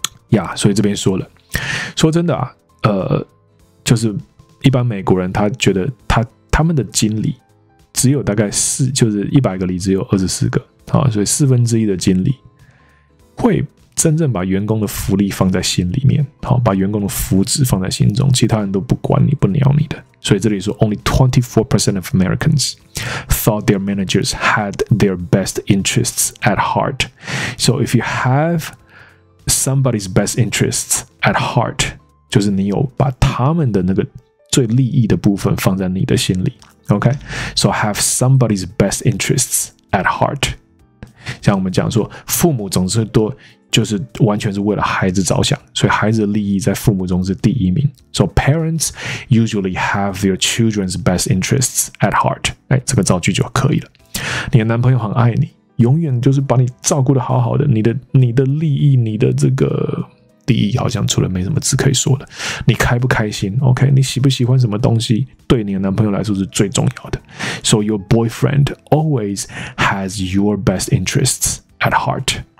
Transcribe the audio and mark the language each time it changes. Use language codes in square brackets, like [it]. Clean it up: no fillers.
[zh] Yeah, 所以这边说了，说真的啊，就是一般美国人他觉得他们的经理只有大概四，就是100个里只有24个，好，所以四分之一的经理会真正把员工的福利放在心里面，好，把员工的福祉放在心中，其他人都不管你，不鸟你的。所以这里说 [en] ，only 24% of Americans thought their managers had their best interests at heart. So if you have somebody's best interests at heart, [zh] 就是你有把他们的那个最利益的部分放在你的心里。 [en] OK, so have somebody's best interests at heart. [zh] 像我们讲说，父母总是多。就是完全是为了孩子着想，所以孩子的利益在父母中是第一名。 [en] So parents usually have their children's best interests at heart. [zh] 哎，这个造句就可以了。你的男朋友很爱你，永远就是把你照顾得好好的。你的利益，你的这个利益，好像除了没什么字可以说的。你开不开心 ？OK， 你喜不喜欢什么东西，对你的男朋友来说是最重要的。 [en] So your boyfriend always has your best interests at heart.